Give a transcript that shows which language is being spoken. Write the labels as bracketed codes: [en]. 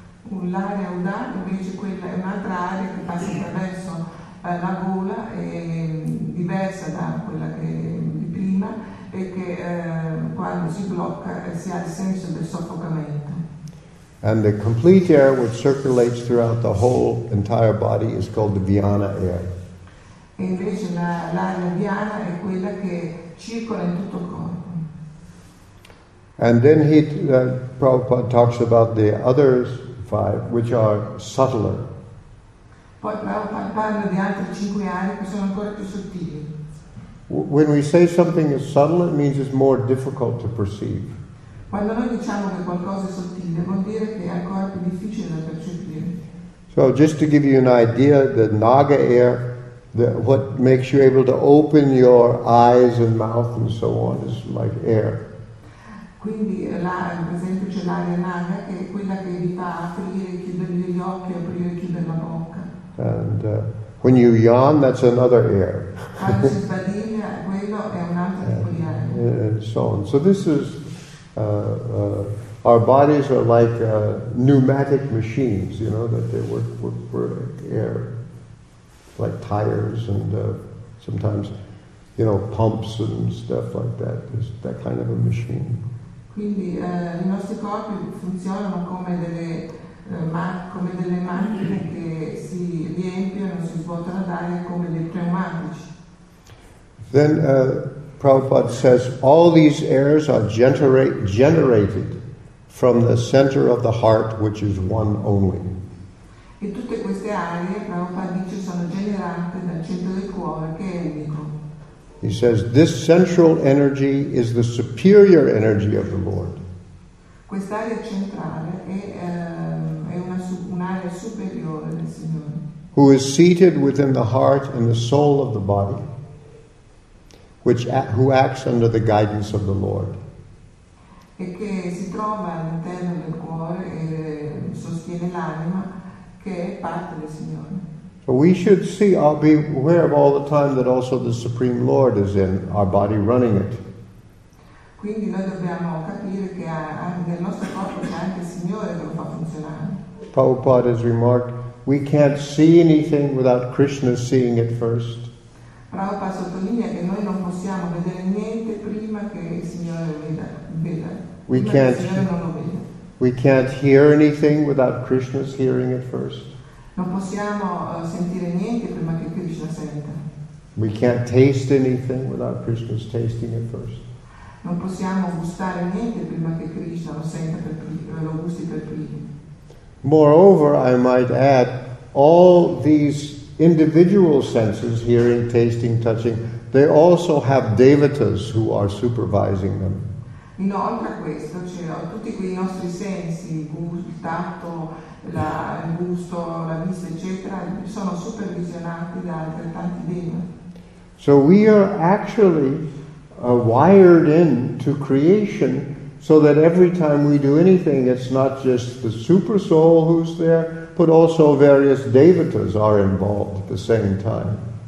[it] L'aria udana invece quella è un'altra aria che passa attraverso la gola, è diversa da quella che di prima, e che quando si blocca si ha il senso del soffocamento. [en] And the complete air, which circulates throughout the whole entire body, is called the Vyana air. [it] E invece l'aria Vyana è quella che circola in tutto il corpo. [en] And then he, Prabhupada talks about the other five, which are subtler. [it] Poi Prabhupada parla di altre cinque aree che sono ancora più sottili. [en] When we say something is subtle, it means it's more difficult to perceive. [it] Quando noi diciamo che qualcosa è sottile, vuol dire che è ancora più difficile da percepire. [en] So, just to give you an idea, the Naga air, what makes you able to open your eyes and mouth and so on, is like air. [it] Quindi, per esempio, c'è l'aria Naga, che è quella che vi fa aprire e chiudere gli occhi, aprire e chiudere la bocca. [en] And when you yawn, that's another air. [it] Quando si sbadiglia, quello è un altro tipo di aria. [en] And so on. So this is... our bodies are like pneumatic machines, you know, that they work for air, like tires and sometimes, you know, pumps and stuff like that. It's that kind of a machine. [it] Quindi i nostri corpi funzionano come delle macchine che si riempiono, si svuotano d'aria come dei pneumatici. [en] Then. Prabhupada says all these airs are generated from the center of the heart, which is one only. [it] E tutte queste aree, Prabhupada dice, sono generate dal centro del cuore, che è unico. [en] He says this central energy is the superior energy of the Lord. [it] Quest'area centrale è un'area superiore del Signore. [en] Who is seated within the heart and the soul of the body. Who acts under the guidance of the Lord. [it] E che si trova all'interno del cuore e sostiene l'anima che è parte del Signore. [en] So we should see, I'll be aware of all the time that also the Supreme Lord is in our body running it. [it] Quindi noi dobbiamo capire che anche nel nostro corpo c'è anche il Signore che lo fa funzionare. [en] Prabhupada has remarked, we can't see anything without Krishna seeing it first. [it] Prabhupada sottolinea che noi non possiamo vedere niente prima che il Signore lo veda. [en] We can't hear anything without Krishna's hearing it first. [it] Non possiamo sentire niente prima che Krishna senta. [en] We can't taste anything without Krishna's tasting it first. [it] Non possiamo gustare niente prima che Krishna lo senta per primo, lo gusti per primo. [en] Moreover, I might add, all these individual senses, hearing, tasting, touching, they also have devatas who are supervising them. [it] Inoltre a questo, cioè, tutti quei nostri sensi, il tatto, il gusto, la vista, eccetera, sono supervisionati da altrettanti devi. [en] So we are actually wired in to creation so that every time we do anything, it's not just the super soul who's there, but also various devatas are involved at the same time.